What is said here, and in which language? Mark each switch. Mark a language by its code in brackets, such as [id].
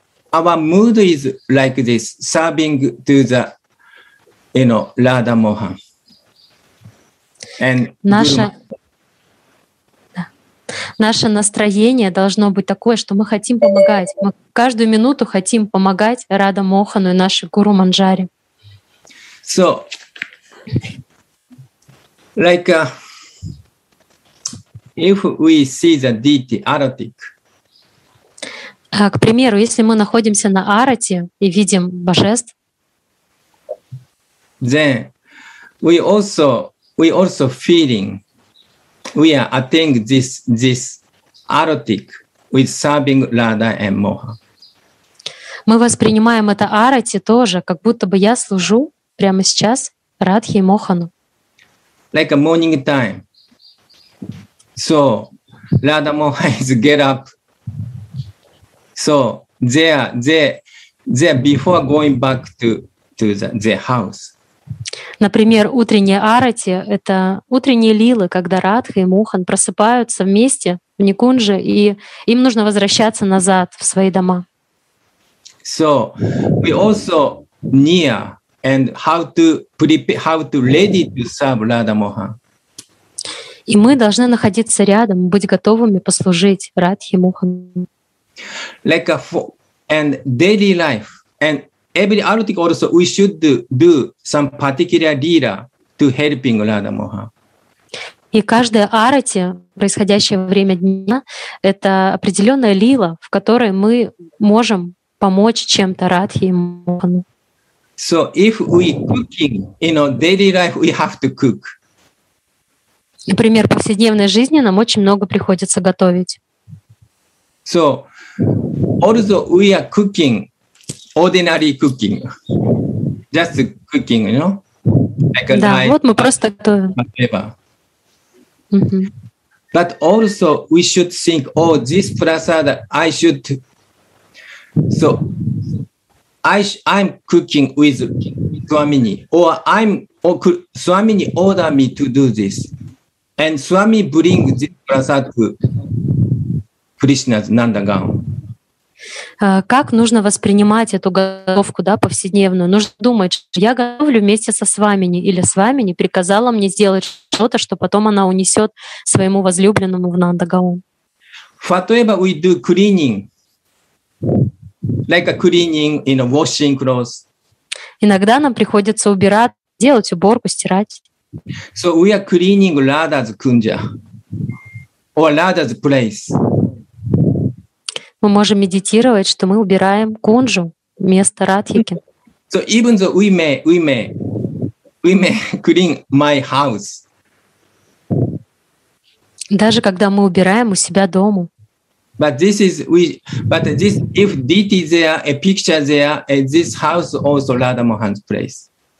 [en] Our mood is like this, serving to the, you know, Radha Mohan. And [ru] Наше настроение должно быть такое, что мы хотим помогать. Мы каждую минуту хотим помогать Радха Мохану и нашей Гуру Манджари. [en] So, like, if we see the deity Aratik. [ru] К примеру, если мы находимся на Арате и видим божеств, [en] then we also feeling. We are attaining this arotic with serving Radha and Mohan. [ru] Мы воспринимаем это арати тоже, как будто бы я служу прямо сейчас Радхе и Мохану. [en] Like a morning time. So Radha Mohan is get up. So they before going back to their house. [ru] Например, утренние арати — это утренние лилы, когда Радха и Мохан просыпаются вместе в Никунже, и им нужно возвращаться назад в свои дома. [en] So we also near and how to prepare, how to ready to serve Radha Mohan. [ru] И мы должны находиться рядом, быть готовыми послужить Радхе и Мохан. [en] Like and daily life and every arutik also, we should do some particular lila to helping Radha Mohan. [ru] И каждая арати, происходящая во время дня, это определенная лила, в которой мы можем помочь чем-то Радхе и Мохану. [en] So if we cooking, you know, daily life, we have to cook. [ru] Например, в повседневной жизни нам очень много приходится готовить. [en] So also we are cooking. Ordinary cooking, just cooking, you know? Like [ru] да, [en] life. [ru] Вот мы просто готовим. Mm-hmm. [en] But also we should think, oh, this prasada, I should... So I'm cooking with Swamini, or Swamini order me to do this. And Swami bring this prasada to Krishna's Nandagaon. [ru] Как нужно воспринимать эту готовку, да, повседневную? Нужно думать, что я готовлю вместе со Свамини, или Свамини приказала мне сделать что-то, что потом она унесет своему возлюбленному в Нандагаон. [en] Whatever we do cleaning, like a cleaning, you know, washing clothes. [ru] Иногда нам приходится убирать, делать уборку, стирать. [en] So we are cleaning Radha's kunja or Radha's place. [ru] Мы можем медитировать, что мы убираем кунжу, место Радхики. [en] So even though we may clean my house. [ru] Даже когда мы убираем у себя дома. [en] But this, if deity is there, a picture there, this house also Radha Mohan's place.